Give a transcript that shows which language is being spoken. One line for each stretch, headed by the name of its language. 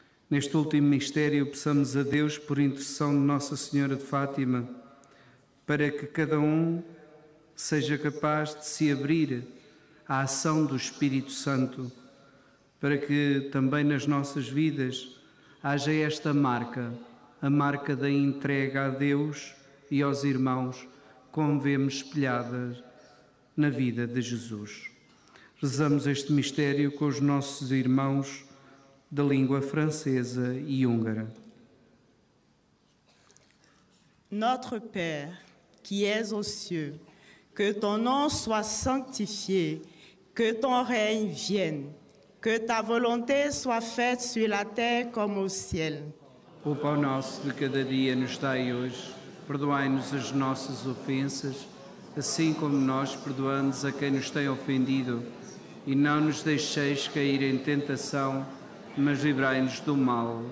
Portuguese: Neste último mistério, peçamos a Deus, por intercessão de Nossa Senhora de Fátima, para que cada um seja capaz de se abrir à ação do Espírito Santo, para que também nas nossas vidas haja esta marca, a marca da entrega a Deus e aos irmãos, como vemos espelhada na vida de Jesus. Rezamos este mistério com os nossos irmãos da língua francesa e húngara.
French: Notre Père, qui es aux cieux, que ton nom soit sanctifié, que ton règne vienne, que ta volonté soit faite sur la terre comme au ciel.
Portuguese: O pão nosso de cada dia nos dai hoje, perdoai-nos as nossas ofensas, assim como nós perdoamos a quem nos tem ofendido, e não nos deixeis cair em tentação, mas livrai-nos do mal.